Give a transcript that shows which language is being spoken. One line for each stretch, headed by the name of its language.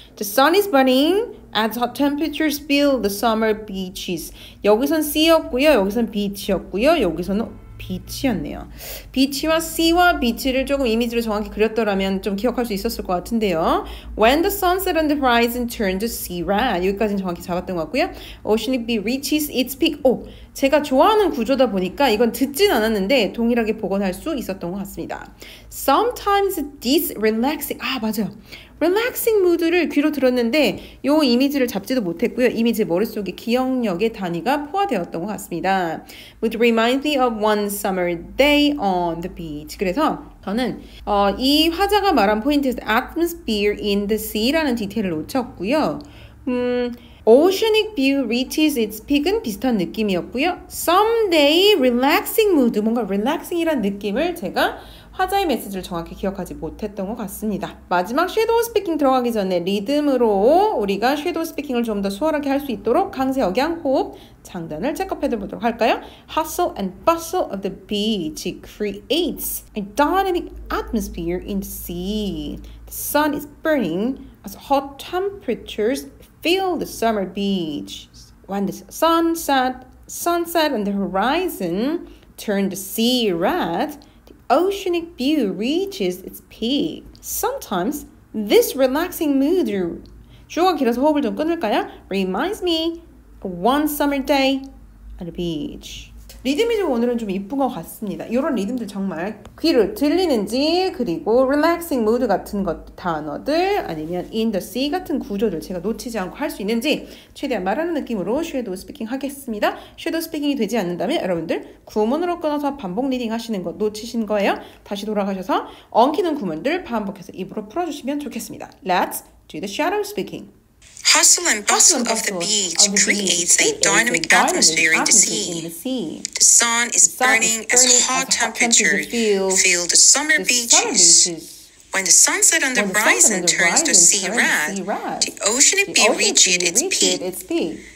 English: The sun is burning as hot temperatures fill the summer beaches.
Korean: 여기선 sea였고요. 여기선 beach였고요. 여기서는 beach였네요. beach와 sea와 beach를 조금 이미지로 정확히 그렸더라면 좀 기억할 수 있었을 것 같은데요.
English: When the sun set on the horizon turned to sea red.
Korean: 여기까지는 정확히 잡았던 것 같고요.
English: Oceanic view reaches its peak.
Korean: 제가 좋아하는 구조다 보니까 이건 듣진 않았는데 동일하게 복원할 수 있었던 것 같습니다.
English: Sometimes this relaxing...
Korean: 맞아요.
English: Relaxing mood
Korean: 를 귀로 들었는데 요 이미지를 잡지도 못했고요. 이미지 머릿속에 기억력의 단위가 포화되었던 것 같습니다.
English: Which reminds me of one summer day on the beach.
Korean: 그래서 저는 이 화자가 말한 포인트에서
English: atmosphere in the sea
Korean: 라는 디테일을 놓쳤고요.
English: Oceanic view reaches its peak은
Korean: 비슷한 느낌이었고요.
English: Someday relaxing mood,
Korean: 뭔가 relaxing이란 느낌을 제가 화자의 메시지를 정확히 기억하지 못했던 것 같습니다. 마지막 섀도우 스피킹 들어가기 전에 리듬으로 우리가 섀도우 스피킹을 좀 더 수월하게 할 수 있도록 강세 억양 호흡 장단을 체크해보도록 할까요?
English: Hustle and bustle of the beach creates a dynamic atmosphere in the sea. The sun is burning as hot temperatures fill the summer beach. When the sunset and the horizon turn the sea red, oceanic view reaches its peak. Sometimes this relaxing mood,
Korean: 주어가 길어서 호흡을 좀 끊을까요?
English: Reminds me of one summer day at the beach.
Korean: 리듬이 좀 오늘은 좀 이쁜 것 같습니다. 이런 리듬들 정말 귀를 들리는지, 그리고
English: relaxing mood
Korean: 같은 것 단어들, 아니면
English: in the sea
Korean: 같은 구조들 제가 놓치지 않고 할 수 있는지 최대한 말하는 느낌으로 shadow speaking 하겠습니다. shadow speaking이 되지 않는다면 여러분들 구문으로 끊어서 반복 리딩 하시는 거 놓치신 거예요. 다시 돌아가셔서 엉키는 구문들 반복해서 입으로 풀어주시면 좋겠습니다.
English: Let's do the shadow speaking. Hustle and bustle of the beach creates a dynamic atmosphere in the sea. The sun is burning as hot temperatures fill the summer beaches. When the sunset on the horizon turns to sea red, the ocean reaches its peak.